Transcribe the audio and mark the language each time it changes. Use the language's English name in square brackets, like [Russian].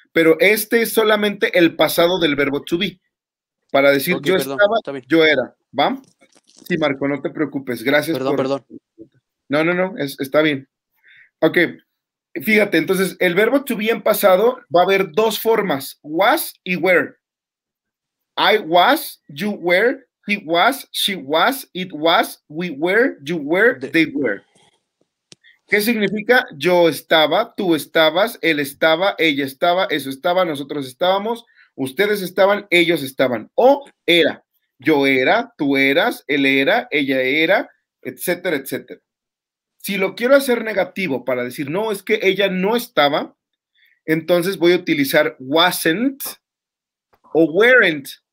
[Spanish] Pero este es solamente el pasado del verbo to be. Para decir okay, yo perdón, estaba, yo era. ¿Va? Sí, Marco, no te preocupes. Gracias. Perdón. No, está bien. Ok, fíjate, entonces el verbo to be en pasado va a haber dos formas. [English] Was y were. I was, you were. He was, she was, it was, we were, you were, they were. [Spanish] ¿Qué significa? Yo estaba, tú estabas, él estaba, ella estaba, eso estaba, nosotros estábamos, ustedes estaban, ellos estaban. O era. Yo era, tú eras, él era, ella era, etcétera, etcétera. Si lo quiero hacer negativo para decir no, es que ella no estaba, entonces voy a utilizar wasn't o weren't.